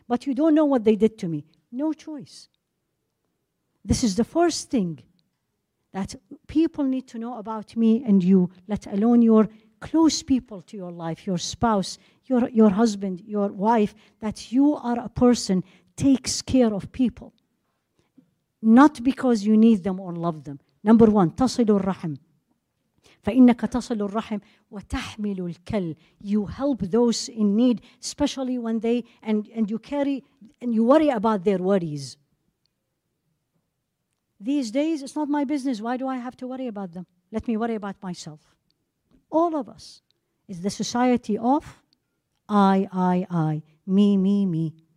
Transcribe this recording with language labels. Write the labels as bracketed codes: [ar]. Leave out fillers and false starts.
[en] But you don't know what they did to me. No choice. This is the first thing that people need to know about me and you, let alone your close people to your life, your spouse, your husband, your wife, that you are a person takes care of people. Not because you need them or love them. Number one, [ar] تصل الرحم. فإنك تصل الرحم وتحمل الكل. [en] You help those in need, especially when they, and you carry, and you worry about their worries. These days, it's not my business. Why do I have to worry about them? Let me worry about myself. All of us is the society of I, me.